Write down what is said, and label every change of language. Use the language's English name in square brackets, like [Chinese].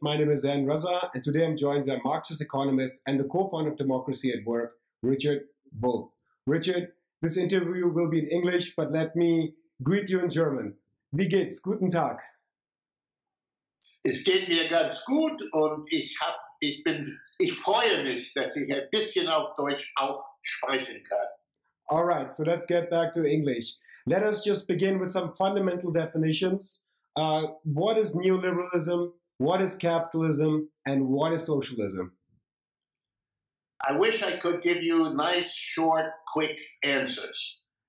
[English] My name is Anne Raza, and today I'm joined by Marxist economist and the co-founder of Democracy at Work, Richard Wolff. Richard, this interview will be in English, but let me greet you in German. [German] Wie geht's? Guten Tag. Es geht mir ganz gut und ich freue mich, dass ich ein bisschen auf Deutsch auch sprechen kann. [English] All right, so let's get back to English. Let us just begin with some fundamental definitions. What is neoliberalism? What is capitalism? And what is socialism? I wish I could give you nice, short, quick answers.